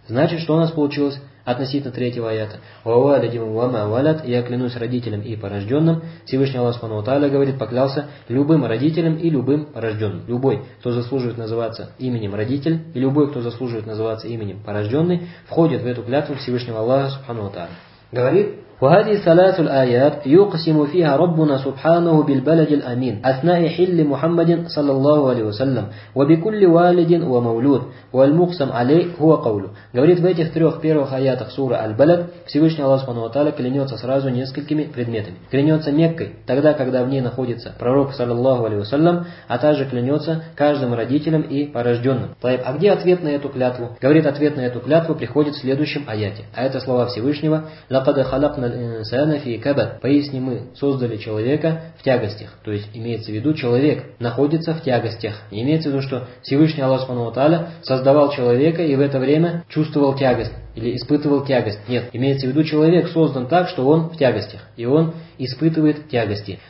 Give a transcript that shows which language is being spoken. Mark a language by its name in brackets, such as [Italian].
[Russian] Значит, что у нас получилось? Относительно третьего аята. «Вавалядим вама валят, я клянусь родителям и порожденным». Всевышний Аллах Субхану ва Тааля говорит, поклялся любым родителям и любым порожденным. Любой, кто заслуживает называться именем родитель, и любой, кто заслуживает называться именем порожденный, входит в эту клятву Всевышнего Аллаха Субхану ва Тааля. Говорит [Arabic] وهذه ثلاث الآيات يقسم فيها ربنا سبحانه بالبلد الأمين أثناء حل محمد صلى الله عليه وسلم وبكل والد ومولود والمقسم عليه هو قوله. [Russian] говорит в этих трех первых аятах суры Аль-Балад Всевышний Аллах Субхану ва Тааля клянется сразу несколькими предметами. Клянется Меккой тогда, когда в ней находится Пророк صلى الله عليه وسلم, а также клянется каждым родителям и порожденным. طيب, а где ответ на эту клятву? Говорит, ответ на эту клятву приходит в следующем аяте. [Arabic] А это слова Всевышнего: لقد خلقنا الإنسان في كبد. [Russian] Поистине мы создали человека в тягостях. То есть имеется в виду, человек находится в тягостях. И имеется в виду, что Всевышний Аллах Субхану ва Тааля создавал человека и в это время чувствовал тягость или испытывал тягость. Нет, имеется в виду, человек создан так, что он в тягостях, и он испытывает тягости.